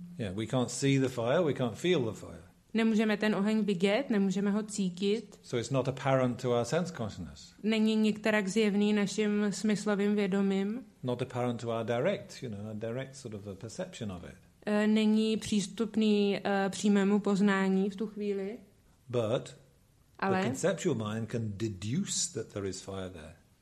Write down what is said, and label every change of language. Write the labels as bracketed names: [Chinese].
[English] Yeah, we can't see the fire, we can't feel the fire. [Czech] Nemůžeme ten oheň vidět, nemůžeme ho cítit. [English] So it's not apparent to our sense consciousness. [Czech] Není nikterak zjevný našim smyslovým vědomím. [English] Not apparent to our direct, you know, our direct sort of a perception of it. [Czech] Není přístupný přímému poznání v tu chvíli. [English] But [Czech] ale [English] the conceptual mind can deduce that there is fire there.